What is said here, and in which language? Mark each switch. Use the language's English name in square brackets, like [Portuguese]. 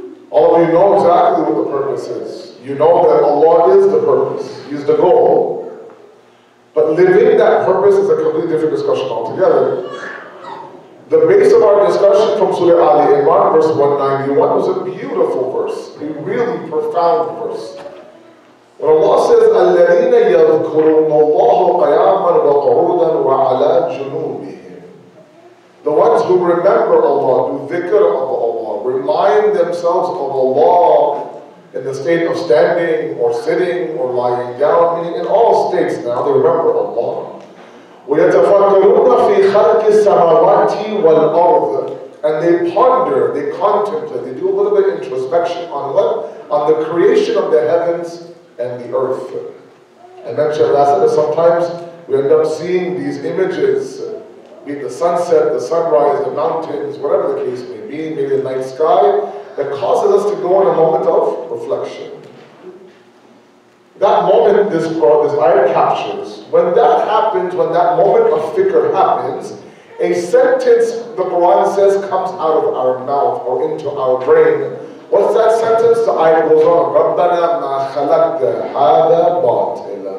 [English] All of you know exactly what the purpose is. You know that Allah is the purpose, He's the goal. But living that purpose is a completely different discussion altogether. The base of our discussion from Surah Ali Imran, verse 191, was a beautiful verse, a really profound verse. When Allah says, [Arabic] الَّذِينَ يَذْكُرُونَ اللَّهُ قَيَامًا وَقُعُودًا وَعَلَىٰ جُنُوبِهِمْ. [English] The ones who remember Allah, do dhikr of Allah, remind themselves of Allah in the state of standing or sitting or lying down, meaning in all states now they remember Allah. [Arabic] وَيَتَفَكَّرُونَ فِي خَلْقِ السَّمَوَاتِ وَالْأَرْضِ. [English] And they ponder, they contemplate, they do a little bit of introspection on what? On the creation of the heavens and the earth. I mentioned last time that sometimes we end up seeing these images, be it the sunset, the sunrise, the mountains, whatever the case may be, maybe the night sky, that causes us to go in a moment of reflection. That moment this eye captures, when that happens, when that moment of fikr happens, a sentence, the Quran says, comes out of our mouth or into our brain. What's that sentence? The ayah goes on, [Arabic] رَبَّنَا مَا خَلَقْتَ هَذَا بَاطِلًا.